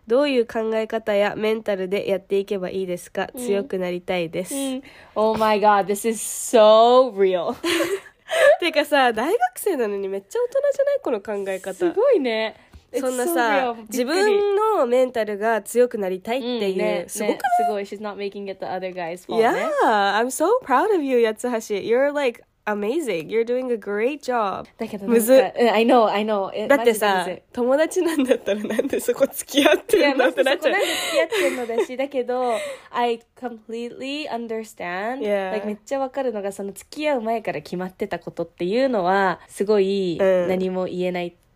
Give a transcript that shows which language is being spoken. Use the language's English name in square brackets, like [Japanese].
[Japanese] どういう考え方やメンタルでやっていけばいいですか、うん、強くなりたいです、 [English] うん、Oh my god, this is so real [Japanese] てかさ、大学生なのにめっちゃ大人じゃないこの考え方、すごいね。そんなさ、so、自分のメンタルが強くなりたいっていう、うんね、すごくね、すごい、 [English] She's not making it the other guy's fault. Yeah, I'm so proud of you, 八橋 You're likeAmazing. You're doing a great job. [Japanese] だけどなんか、 [English] I know, I know. [Japanese] だってさ、友達なんだったらなんでそこ付き合ってるんだってなっちゃう。なんで付き合ってるのだし、だけど、 [English] I completely understand. Yeah. [Japanese] Like, めっちゃわかるのが、その付き合う前から決まってたことっていうのは、すごい何も言えない。